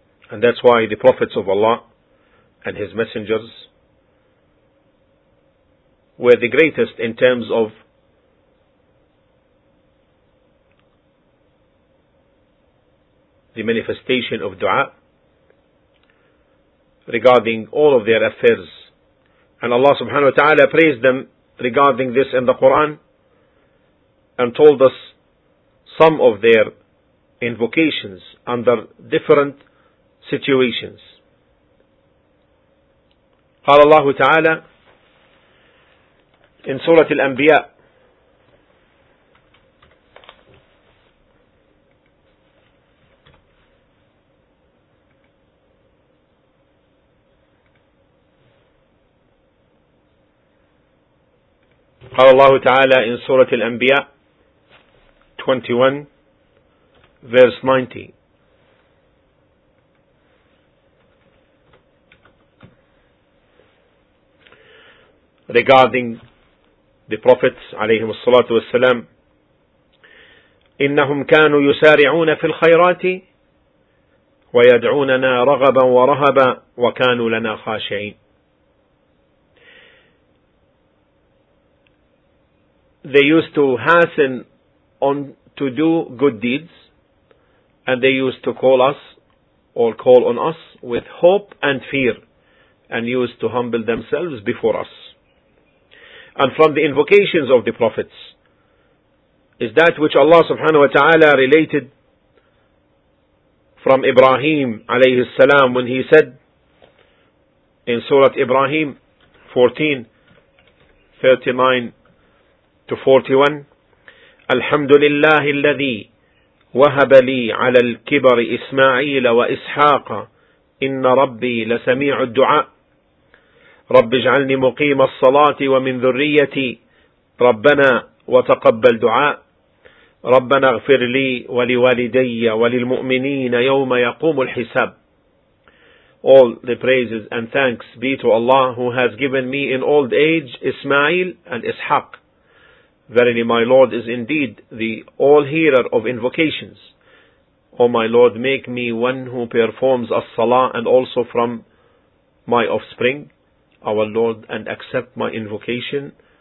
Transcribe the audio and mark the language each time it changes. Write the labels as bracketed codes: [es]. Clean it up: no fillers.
[en] And that's why the prophets of Allah and his messengers were the greatest in terms of the manifestation of dua regarding all of their affairs. And Allah subhanahu wa ta'ala praised them regarding this in the Quran and told us some of their invocations under different situations. [ar] قال الله تعالى [en] in Surah Al-Anbiya, [ar] قال الله تعالى إن سورة الأنبياء 21:90 [en] regarding the prophets [ar] عليهم الصلاة والسلام, إنهم كانوا يسارعون في الخيرات ويدعوننا رغبا ورهبا وكانوا لنا خاشعين. [en] They used to hasten on to do good deeds, and they used to call us or call on us with hope and fear, and used to humble themselves before us. And from the invocations of the prophets is that which Allah subhanahu wa ta'ala related from Ibrahim alayhi salam when he said in Surah Ibrahim 14:39-41, [ar] الحمد لله الذي وهب لي على الكبر إسماعيل وإسحاق إن ربي لسميع الدعاء رب اجعلني مقيم الصلاة ومن ذريتي ربنا وتقبل دعاء ربنا اغفر لي ولوالدي وللمؤمنين يوم يقوم الحساب. [en] All the praises and thanks be to Allah who has given me in old age Ismail and Ishaq. Verily my Lord is indeed the all-hearer of invocations. O my Lord, make me one who performs as-salah and also from my offspring, our Lord, and accept my invocation